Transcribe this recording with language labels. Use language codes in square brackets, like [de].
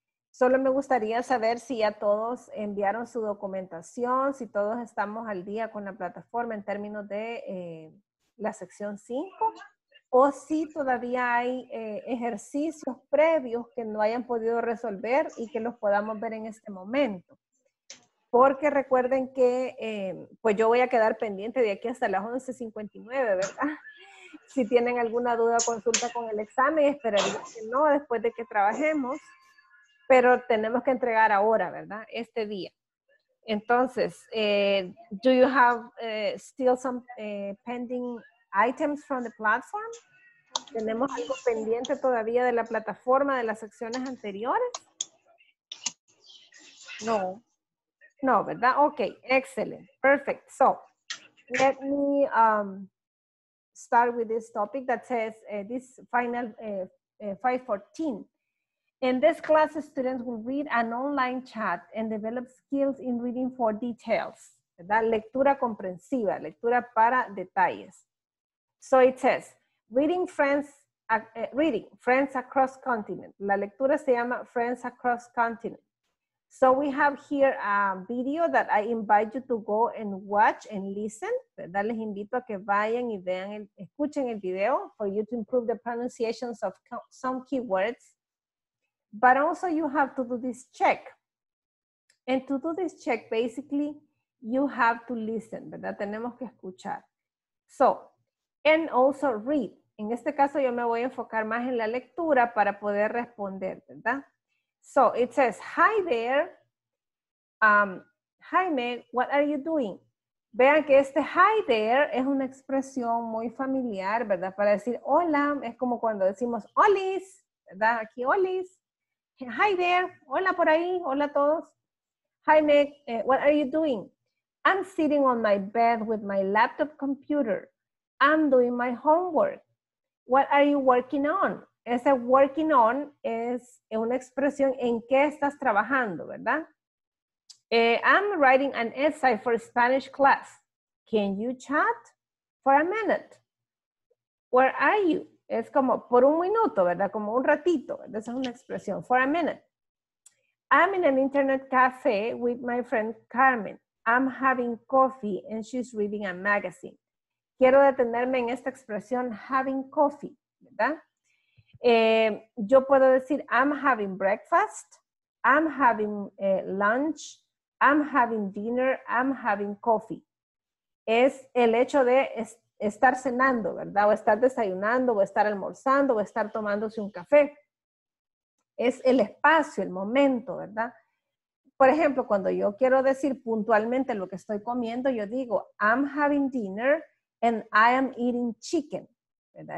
[es] Solo me gustaría saber si ya todos enviaron su documentación, si todos estamos al día con la plataforma en términos de la sección 5, o si todavía hay ejercicios previos que no hayan podido resolver y que los podamos ver en este momento. Porque recuerden que, pues yo voy a quedar pendiente de aquí hasta las 11:59, ¿verdad? Si tienen alguna duda, consulta con el examen, esperaría que no, después de que trabajemos. Pero tenemos que entregar ahora, ¿verdad? Este día. [en] Entonces, do you have still some pending items from the platform? [es] ¿Tenemos algo pendiente todavía de la plataforma, de las secciones anteriores? [en] No. No, ¿verdad? Okay, excellent. Perfect. So, let me start with this topic that says this final 514. In this class, students will read an online chat and develop skills in reading for details. [es] ¿Verdad? Lectura comprensiva, lectura para detalles. [en] So, it says, reading friends across continent. [es] La lectura se llama Friends Across Continent. [en] So we have here a video that I invite you to go and watch and listen. ¿Verdad? [es] Les invito a que vayan y vean, escuchen el video [en] for you to improve the pronunciations of some keywords. But also you have to do this check. And to do this check, basically, you have to listen. [es] ¿Verdad? Tenemos que escuchar. [en] So, and also read. [es] En este caso yo me voy a enfocar más en la lectura para poder responder. ¿Verdad? [en] So it says, hi there, Jaime, what are you doing? [es] Vean que este hi there es una expresión muy familiar, ¿verdad? Para decir hola, es como cuando decimos olis, ¿verdad? Aquí olis. Hi there, hola por ahí, hola a todos. [en] Jaime, what are you doing? I'm sitting on my bed with my laptop computer. I'm doing my homework. What are you working on? [es] Ese working on es una expresión en qué estás trabajando, ¿verdad? [en] I'm writing an essay for Spanish class. Can you chat for a minute? Where are you? [es] Es como por un minuto, ¿verdad? Como un ratito, ¿verdad? Esa es una expresión, for a minute. [en] I'm in an internet cafe with my friend Carmen. I'm having coffee and she's reading a magazine. [es] Quiero detenerme en esta expresión, having coffee, ¿verdad? Yo puedo decir, [en] I'm having breakfast, I'm having lunch, I'm having dinner, I'm having coffee. [es] Es el hecho de estar cenando, ¿verdad? O estar desayunando, o estar almorzando, o estar tomándose un café. Es el espacio, el momento, ¿verdad? Por ejemplo, cuando yo quiero decir puntualmente lo que estoy comiendo, yo digo, [en] I'm having dinner and I am eating chicken, [es] ¿verdad?